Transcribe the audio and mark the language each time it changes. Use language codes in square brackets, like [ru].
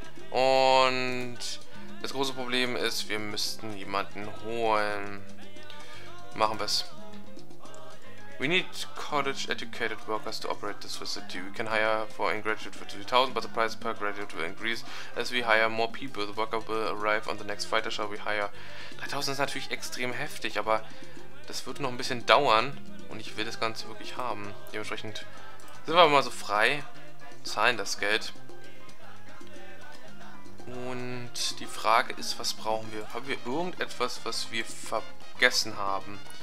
[de] Und das große Problem ist, wir müssten jemanden holen. Machen wir es. [en] We need college-educated workers to operate this facility. We can hire for a graduate for 2,000, but the price per graduate will increase as we hire more people. The worker will arrive on the next fighter shall we hire. [de] 3,000 ist natürlich extrem heftig, aber das wird noch ein bisschen dauern und ich will das Ganze wirklich haben. Dementsprechend sind wir mal so frei, zahlen das Geld. Und die Frage ist, was brauchen wir? Haben wir irgendetwas, was wir vergessen haben?